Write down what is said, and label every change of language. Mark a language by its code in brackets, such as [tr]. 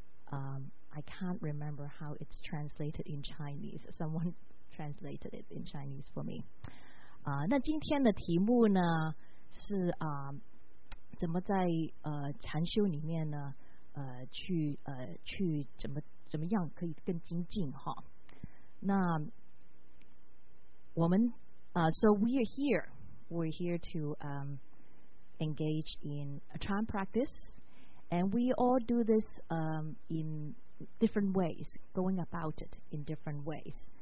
[en] I can't remember how it's translated in Chinese. Someone translated it in Chinese for me. [zh] 那今天的题目呢是怎么在禅修里面呢去怎么样可以更精进哈。那我们 [en] so we're here to engage in a Chan practice, and we all do this in different ways, going about it in different ways.